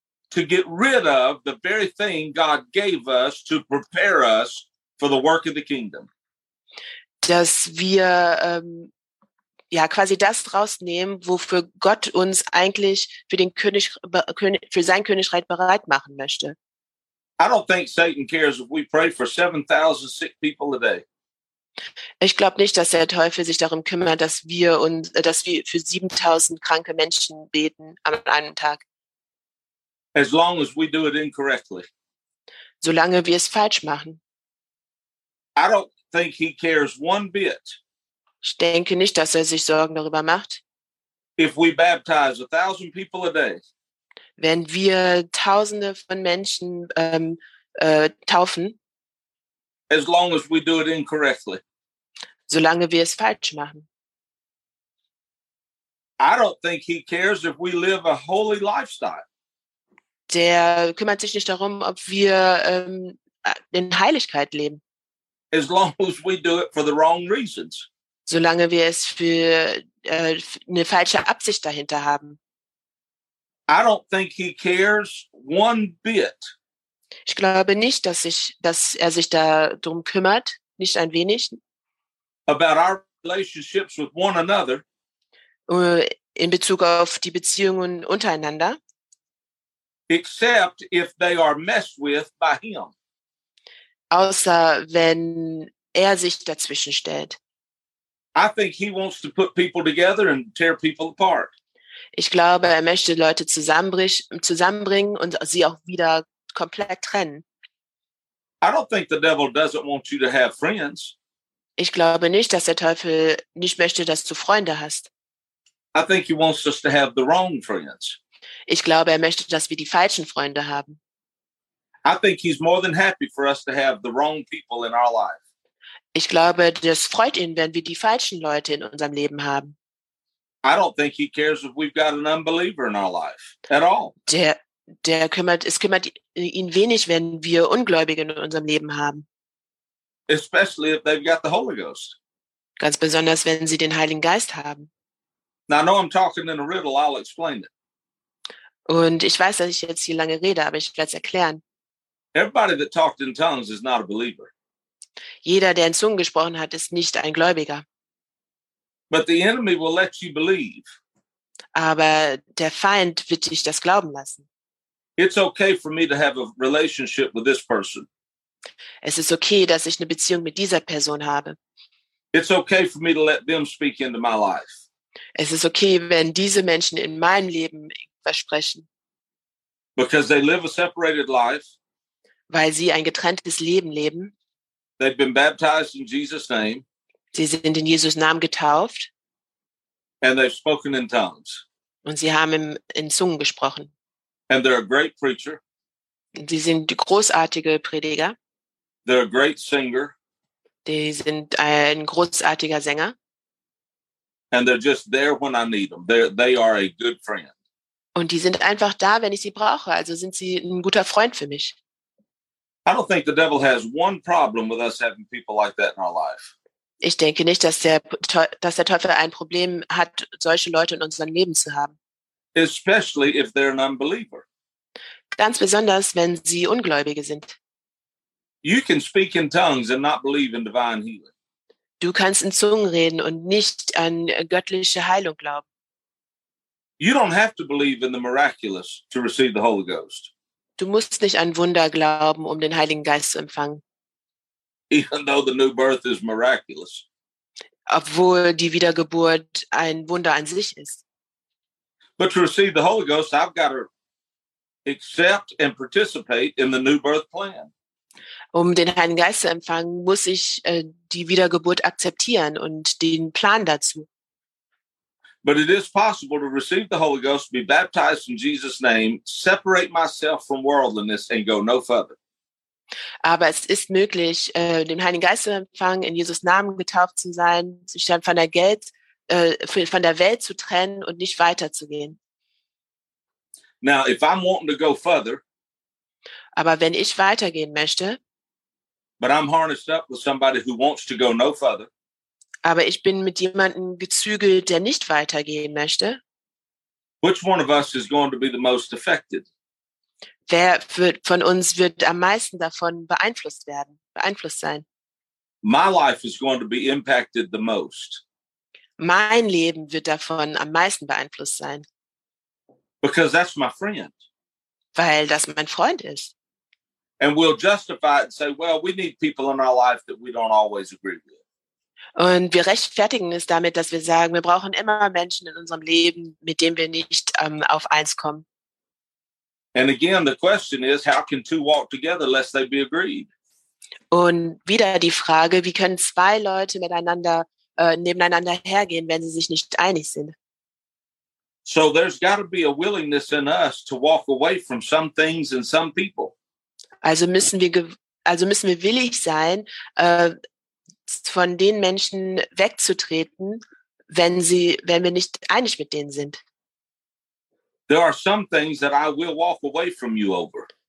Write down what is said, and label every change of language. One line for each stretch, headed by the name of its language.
English: To get rid of the very thing God gave us to prepare us for the work of the kingdom.
German: Dass wir quasi das rausnehmen, wofür Gott uns eigentlich für sein Königreich bereit machen möchte.
English: I don't think Satan cares if we pray for 7,000 sick people a day.
German: Ich glaube nicht, dass der Teufel sich darum kümmert, dass wir für 7,000 kranke Menschen beten an einem Tag.
English: As long as we do it incorrectly.
German: Solange wir es falsch machen.
English: I don't think he cares one bit.
German: Ich denke nicht, dass er sich Sorgen darüber macht.
English: If we baptize 1,000 people a day.
German: Wenn wir Tausende von Menschen taufen.
English: As long as we do it incorrectly.
German: Solange wir es falsch machen.
English: I don't think he cares if we live a holy lifestyle.
German: Der kümmert sich nicht darum, ob wir in Heiligkeit leben.
English: As long as we do it for the wrong reasons.
German: Solange wir es für eine falsche Absicht dahinter haben.
English: I don't think he cares one bit.
German: Ich glaube nicht, dass er sich darum kümmert, nicht ein wenig.
English: About our relationships with one another.
German: In Bezug auf die Beziehungen untereinander.
English: Except if they are messed with by him.
German: Außer wenn sich dazwischen stellt.
English: I think he wants to put people together and tear people apart.
German: Ich glaube, möchte Leute zusammenbringen und sie auch wieder komplett trennen.
English: I don't think the devil doesn't want you to have friends.
German: Ich glaube nicht, dass der Teufel nicht möchte, dass du Freunde hast.
English: I think he wants us to have the wrong friends.
German: Ich glaube, möchte, dass wir die falschen Freunde haben.
English: I think he's more than happy for us to have the wrong people in our life.
German: Ich glaube, das freut ihn, wenn wir die falschen Leute in unserem Leben haben.
English: I don't think he cares if we've got an unbeliever in our life at all.
German: Es kümmert ihn wenig, wenn wir Ungläubige in unserem Leben haben.
English: Especially if they've got the Holy Ghost.
German: Ganz besonders, wenn sie den Heiligen Geist haben.
English: Now, I know I'm talking in a riddle, I'll explain it.
German: Und ich weiß, dass ich jetzt hier lange rede, aber ich werde es erklären.
English: Everybody that talked in tongues is not a believer.
German: Jeder, der in Zungen gesprochen hat, ist nicht ein Gläubiger.
English: But the enemy will let you believe.
German: Aber der Feind wird dich das glauben lassen.
English: It's okay for me to have a relationship with this person.
German: Es ist okay, dass ich eine Beziehung mit dieser Person habe.
English: It's okay for me to let them speak into my life.
German: Es ist okay, wenn diese Menschen in meinem Leben versprechen.
English: Because they live a separated life.
German: Weil sie ein getrenntes Leben leben.
English: They've been baptized in Jesus' name.
German: Sie sind in Jesus' Namen getauft.
English: And they've spoken in tongues.
German: Und sie haben in Zungen gesprochen.
English: And they're a great preacher.
German: Sie sind großartige Prediger.
English: They're a great singer.
German: Sie sind ein großartiger Sänger.
English: And they're just there when I need them. They are a good friend.
German: Und die sind einfach da, wenn ich sie brauche. Also sind sie ein guter Freund für mich.
English: I don't think the devil has one problem with us having people like that in our life.
German: Ich denke nicht, dass der Teufel ein Problem hat, solche Leute in unserem Leben zu haben.
English: Especially if they're an unbeliever.
German: Ganz besonders, wenn sie Ungläubige sind.
English: You can speak in tongues and not believe in divine healing.
German: Du kannst in Zungen reden und nicht an göttliche Heilung glauben.
English: You don't have to believe in the miraculous to receive the Holy Ghost.
German: Du musst nicht an Wunder glauben, um den Heiligen Geist zu empfangen.
English: Even though the new birth is miraculous.
German: Obwohl die Wiedergeburt ein Wunder an sich ist.
English: But to receive the Holy Ghost, I've got to accept and participate in the new birth plan.
German: Um den Heiligen Geist zu empfangen, muss ich die Wiedergeburt akzeptieren und den Plan dazu.
English: But it is possible to receive the Holy Ghost, be baptized in Jesus' name, separate myself from worldliness and go no further.
German: Aber es ist möglich, den Heiligen Geist zu empfangen, in Jesus' Namen getauft zu sein, sich dann von der Welt zu trennen und nicht weiterzugehen.
English: Now, if I'm wanting to go further,
German: aber wenn ich weitergehen möchte,
English: but I'm harnessed up with somebody who wants to go no further,
German: aber ich bin mit jemandem gezügelt, der nicht weitergehen möchte,
English: which one of us is going to be the most affected?
German: Wer von uns wird am meisten davon beeinflusst sein?
English: My life is going to be impacted the most.
German: Mein Leben wird davon am meisten beeinflusst sein.
English: Because that's my friend.
German: Weil das mein Freund ist.
English: And we'll justify it and say, well, we need people in our life that we don't always agree with.
German: Und wir rechtfertigen es damit, dass wir sagen, wir brauchen immer Menschen in unserem Leben, mit denen wir nicht auf eins kommen.
English: And again, the question is, how can two walk together lest they be agreed?
German: Und wieder die Frage, wie können zwei Leute miteinander nebeneinander hergehen, wenn sie sich nicht einig sind?
English: So there's got to be a willingness in us to walk away from some things and some people.
German: Also müssen wir willig sein, von den Menschen wegzutreten, wenn wir nicht einig mit denen sind.
English: There are some things that I will walk away from you over.